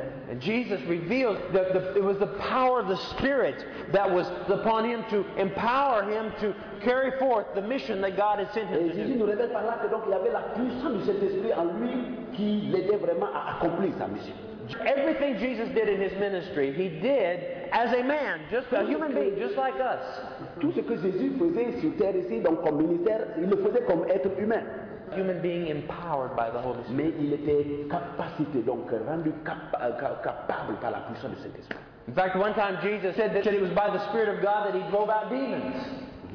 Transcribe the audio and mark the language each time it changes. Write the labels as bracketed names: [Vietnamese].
[English] And Jesus revealed that it was the power of the Spirit that was upon Him to empower Him to carry forth the mission that God had sent Him to do. [French] Et Jésus nous révèle par là que donc il y avait la puissance du Saint-Esprit en lui qui l'aidait vraiment à accomplir sa mission. [English] Everything Jesus did in His ministry, He did as a man, just a human being, just like us. [French] Tout ce que Jésus faisait sur terre ici, donc comme ministère, il le faisait comme être humain. [English] Human being empowered by the Holy Spirit. [French] Mais il était capacité, donc rendu capable par la puissance du Saint-Esprit. [English] In fact, one time Jesus said that it was by the Spirit of God that He drove out demons.